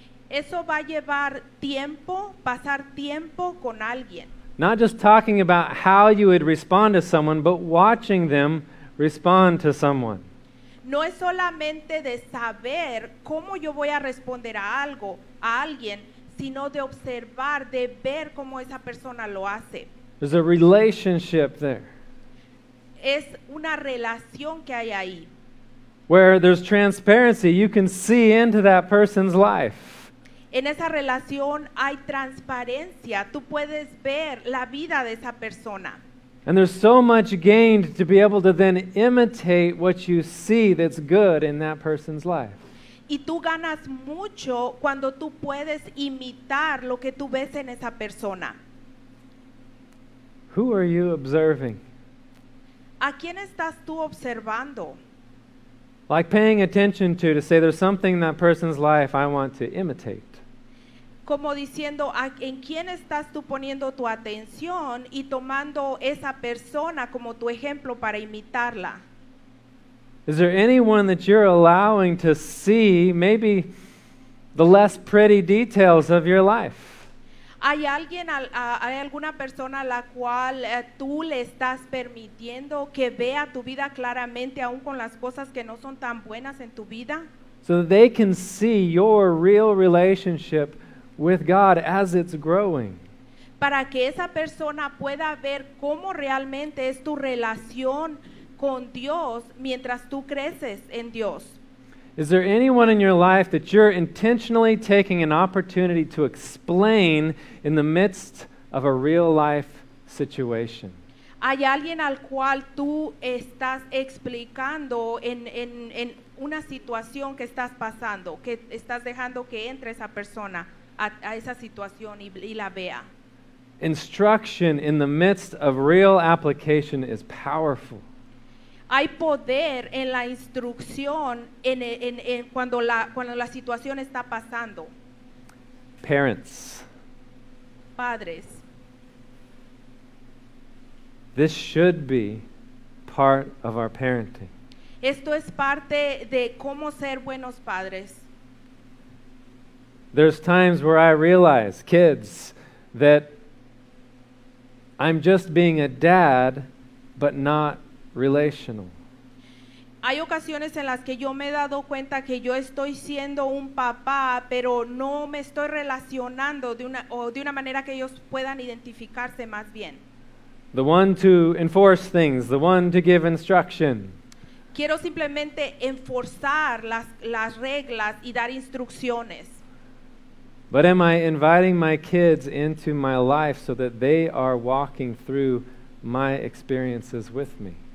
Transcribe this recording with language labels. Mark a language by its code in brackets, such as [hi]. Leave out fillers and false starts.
[es] Eso va a llevar tiempo, pasar tiempo con alguien. [en] Not just talking about how you would respond to someone, but watching them respond to someone. [es] No es solamente de saber cómo yo voy a responder a algo, a alguien, sino de observar, de ver cómo esa persona lo hace. [en] There's a relationship there. [es] Es una relación que hay ahí. [en] Where there's transparency, you can see into that person's life. [es] En esa relación hay transparencia. Tú puedes ver la vida de esa persona. [en] And there's so much gained to be able to then imitate what you see that's good in that person's life. [es] Y tú ganas mucho cuando tú puedes imitar lo que tú ves en esa persona. [en] Who are you observing? [es] ¿A quién estás tú observando? [en] Like paying attention to say there's something in that person's life I want to imitate. [es] Como diciendo, ¿en quién estás tú poniendo tu atención y tomando esa persona como tu ejemplo para imitarla? [en] Is there anyone that you're allowing to see maybe the less pretty details of your life? [es] ¿Hay alguien, hay alguna persona a la cual tú le estás permitiendo que vea tu vida claramente aún con las cosas que no son tan buenas en tu vida? [en] So that they can see your real relationship with God as it's growing. [es] Para que esa persona pueda ver cómo realmente es tu relación con Dios mientras tú creces en Dios. [en] Is there anyone in your life that you're intentionally taking an opportunity to explain in the midst of a real life situation? [es] ¿Hay alguien al cual tú estás explicando en una situación que estás pasando, que estás dejando que entre esa persona? A esa situación y la vea. [en] Instruction in the midst of real application is powerful. [es] Hay poder en la instrucción en cuando la situación está pasando. [en] Parents. [es] Padres. [en] This should be part of our parenting. [es] Esto es parte de cómo ser buenos padres. [en] There's times where I realize, kids, that I'm just being a dad, but not relational. [es] Hay ocasiones en las que yo me he dado cuenta que yo estoy siendo un papá, pero no me estoy relacionando de una manera que ellos puedan identificarse más bien. [en] The one to enforce things, the one to give instruction. [es] Quiero simplemente enforzar las reglas y dar instrucciones. [en] But am I inviting my kids into my life so that they are walking through my experiences with me?